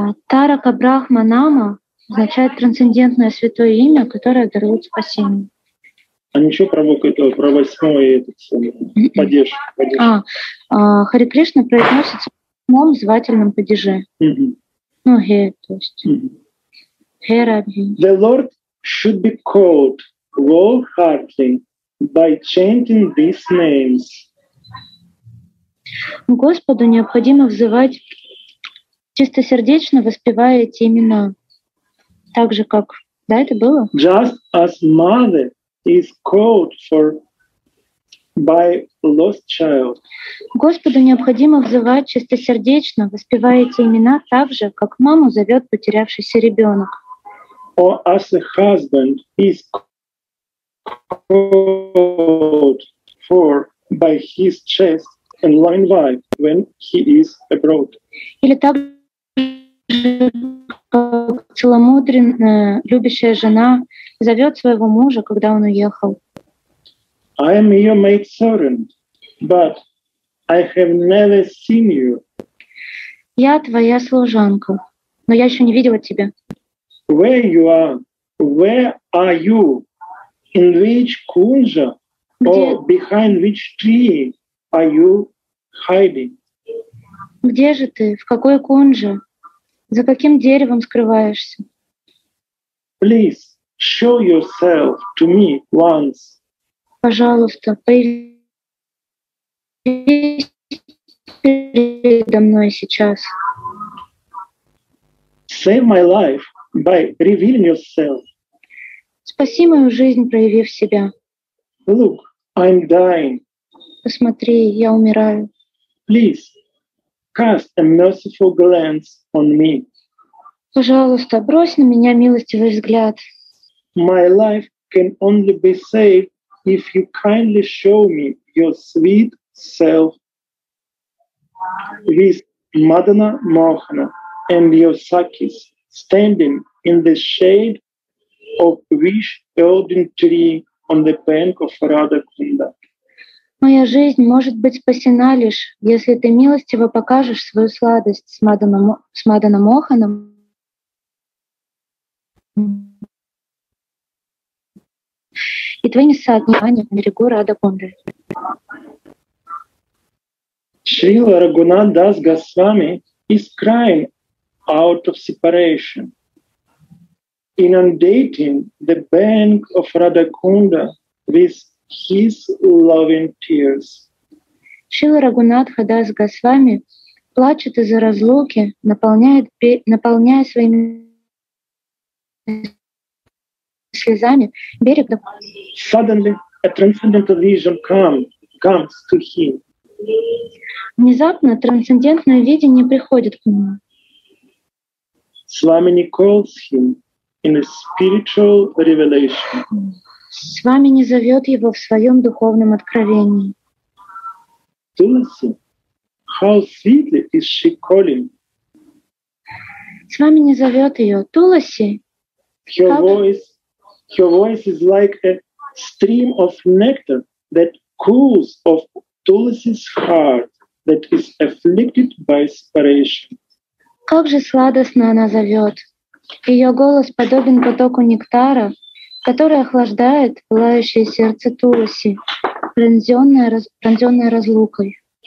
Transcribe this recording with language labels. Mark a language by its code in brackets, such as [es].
[ru] Тарака Брахма Нама означает трансцендентное святое имя, которое дарует спасение. А ничего про восьмое, про восьмое этот падеж. Харе Кришна произносится в восьмом звательном падеже. Mm-hmm. Ну, хе, то есть. Mm-hmm. Хе, Рабхи. [en] The Lord should be called wholeheartedly by chanting these names. [ru] Господу необходимо взывать чистосердечно воспевая эти имена, так же как, да, это было? [en] Just as mother is called for by lost child. [ru] Господу необходимо взывать чистосердечно воспевая эти имена, так же как маму зовет потерявшийся ребенок. [en] Or as a husband is called for by his chest and loving wife when he is abroad. [ru] Или так как целомудренная любящая жена зовет своего мужа, когда он уехал. [en] I am your maid servant, but I have never seen you. [ru] Я твоя служанка, но я еще не видела тебя. [en] Where you are? Where are you? In which kunja? Or behind which tree are you hiding? [ru] Где же ты? В какой кунже? За каким деревом скрываешься? [en] Please show yourself to me once. [ru] Пожалуйста, появись передо мной сейчас. [en] Save my life by revealing yourself. [ru] Спаси мою жизнь, проявив себя. [en] Look, I'm dying. [ru] Посмотри, я умираю. [en] Please cast a merciful glance on me. [ru] Пожалуйста, брось на меня милостивый взгляд. [en] My life can only be saved if you kindly show me your sweet self with Madana Mohana and your sakis standing in the shade of which elden tree on the bank of Radha Kunda. [ru] Моя жизнь может быть спасена лишь, если ты милостиво покажешь свою сладость с Мадана Моханом. И твои места отнимания на берегу Радха Кунды. [en] Шрила Рагунат Дас Госвами is crying out of separation. inundating the bank of Radhakunda with his loving tears. [ru] Шрила Рагхунатха Дас Госвами плачет из-за разлуки, наполняя своими слезами берег. [en] Suddenly a transcendental vision comes to him. [ru] Внезапно трансцендентное видение приходит к нему. [en] Свамини calls him in a spiritual revelation. [ru] Свамини зовет его в своем духовном откровении. [en] Tulsi, how sweetly is she calling? [ru] Свамини зовет ее. Tulsi. [en] Her voice is like a stream of nectar that cools off Tulsi's heart that is afflicted by separation. [ru] Как же сладостно она зовет. Ее голос подобен потоку нектара, который охлаждает пылающее сердце Тулоси, пронзенное разлукой.